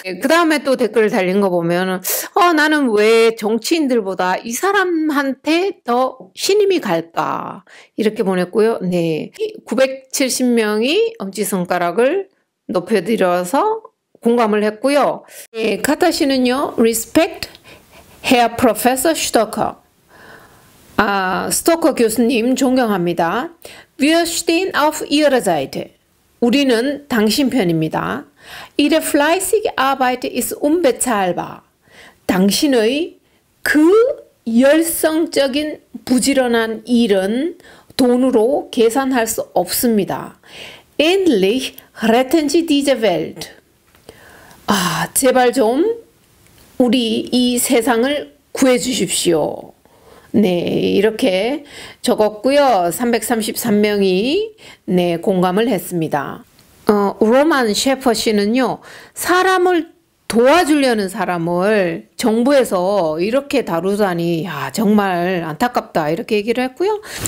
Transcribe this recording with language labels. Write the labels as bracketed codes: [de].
[ko] 그 다음에 또 댓글을 달린 거 보면 나는 왜 정치인들보다 이 사람한테 더 신임이 갈까 이렇게 보냈고요. 네, 970명이 엄지손가락을 높여드려서 공감을 했고요. 네, 카타 씨는요. [de] Respect Herr Professor Stocker. [ko] 스토커 교수님 존경합니다. [de] Wir stehen auf Ihrer Seite. [ko] 우리는 당신 편입니다. [de] Ihre fleißige Arbeit ist unbezahlbar. [ko] 당신의 그 열성적인 부지런한 일은 돈으로 계산할 수 없습니다. [de] Endlich retten Sie diese Welt. [ko] 제발 좀 우리 이 세상을 구해 주십시오. 네, 이렇게 적었고요. 333명이 네, 공감을 했습니다. 로만 셰퍼 씨는요. 사람을 도와주려는 사람을 정부에서 이렇게 다루다니 야, 정말 안타깝다 이렇게 얘기를 했고요.